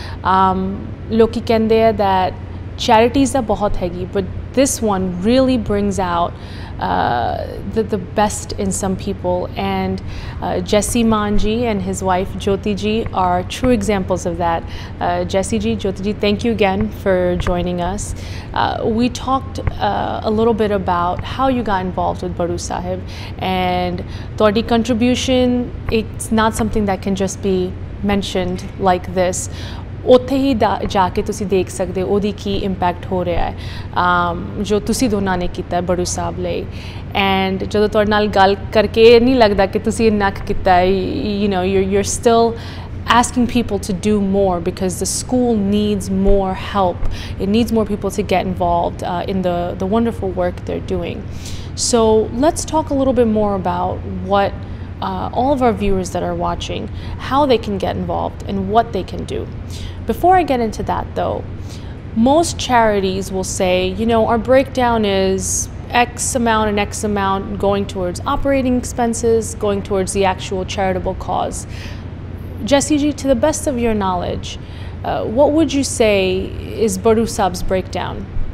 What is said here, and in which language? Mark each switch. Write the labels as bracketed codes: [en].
[pa] Loki kende hai [en] that charities [pa] da bahut hai, [en] but this one really brings out the best in some people, and Jesse Manji and his wife Jyoti ji are true examples of that. Jesse ji, Jyoti ji, thank you again for joining us. We talked a little bit about how you got involved with Baru Sahib, and thodi contribution, it's not something that can just be mentioned like this. [pa] ਉੱਥੇ ਹੀ ਜਾ ਕੇ ਤੁਸੀਂ ਦੇਖ ਸਕਦੇ ਹੋ ਉਹਦੀ ਕੀ impact ਹੋ ਰਿਹਾ ਹੈ ਜੋ ਤੁਸੀਂ ਦੋਨਾਂ ਨੇ ਕੀਤਾ ਬੜੂ ਸਾਹਿਬ ਲਈ ਐਂਡ ਜਦੋਂ ਤੁਹਾਡੇ ਨਾਲ ਗੱਲ ਕਰਕੇ ਇਹ ਨਹੀਂ ਲੱਗਦਾ ਕਿ ਤੁਸੀਂ ਇੰਨਾ ਕੁ ਕੀਤਾ [en] You know you're still asking people to do more because the school needs more help it needs more people to get involved in the wonderful work they are doing so let's talk a little bit more about what all of our viewers that are watching, how they can get involved and what they can do. Before I get into that though, most charities will say, you know, our breakdown is X amount and X amount going towards operating expenses, going towards the actual charitable cause. Jesse ji, to the best of your knowledge, what would you say is Baru Saab's breakdown?